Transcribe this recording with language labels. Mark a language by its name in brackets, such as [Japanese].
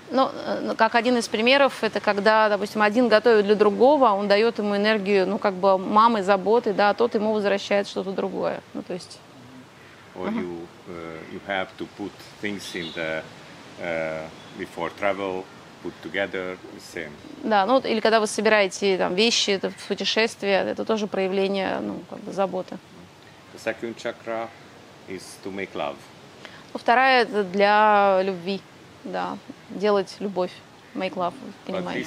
[Russian] Ну, как один из примеров, это когда, допустим, один готовит для другого, он дает ему энергию, ну, как бы мамы, заботы, да, а тот ему возвращает что-то другое. Ну, то есть... [English] Or you have to put things in the... before travel, put together, same. [Russian] Да, ну, или когда вы собираете там вещи, это путешествие, это тоже проявление, ну, как бы заботы. [English] The second chakra is to make love. [Russian] Ну, вторая это для любви, да, делать любовь, [English] make love, [Russian] понимаете?